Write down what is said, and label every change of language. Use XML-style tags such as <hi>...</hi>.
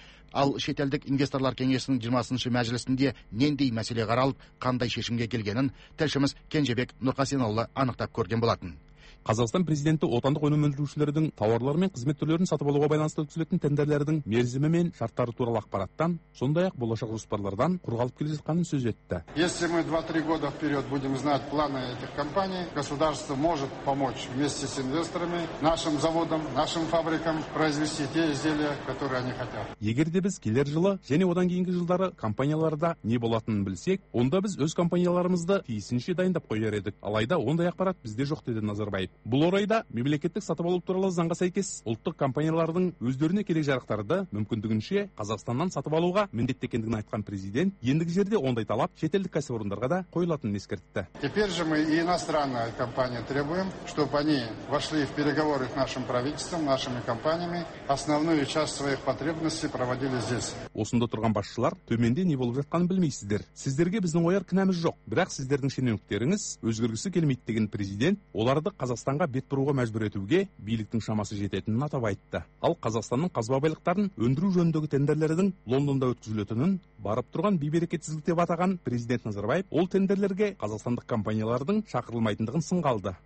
<kk>Ал шетелдік инвесторлар кеңесінің 20-шы мәжілісінде нендей мәселе қаралып, қандай шешімге келгенін тілшіміз Кенжебек Нұрқасенұлы анықтап көрген болатын. Қазақстан президенті отандық өнім өндірушілердің тауарлар мен қызмет түрлерін сатып алуға байланысты өткізілетін тендерлердің мерзімі мен шарттары туралы ақпараттан, сондай-ақ болашақ жоспарлардан құрғалып келе жатқанын сөз етті.</kk> <ru>Если мы 2-3 года вперед будем знать планы этих компаний, государство может помочь вместе с инвесторами нашим заводам, нашим фабрикам произвести те изделия, которые они хотят.</ru> <kk>Егер де біз келер жылы және одан кейінгі жылдары компанияларда не болатынын білсек, онда біз өз компанияларымызды тиісінше дайындап қояр едік. Алайда ондай ақпарат бізде жоқ, деді Назарбаев. Бұл орайда мемлекеттік сатып алу туралы заңға сәйкес ұлттық компаниялардың өздеріне керек жарақтарды мүмкіндігінше Қазақстаннан сатып алуға міндетті екендігін айтқан президент ендігі жерде ондай талап шетелдік кәсіпорындарға да қойылатынын ескертті.</kk> <ru>Теперь же мы и иностранные компании требуем, чтобы они вошли в переговоры с нашим правительством, нашими компаниями, основную часть своих потребностей проводили здесь.</ru> <kk>Осында тұрған басшылар төменде не болып жатқанын білмейсіздер. Сіздерге біздің ойар кінәміз жоқ, бірақ сіздердің шенеуніктеріңіз өзгергісі келмейді деген президент оларды Қазақстанға бет бұруға мәжбүр етуге биліктің шамасы жететінін атап айтты. Ал Қазақстанның қазба байлықтарын өндіру жөніндегі тендерлердің Лондонда өткізілетінін барып тұрған бейберекетсіздік деп атаған президент Назарбаев ол тендерлерге қазақстандық компаниялардың шақырылмайтындығын сынға алды.</kk>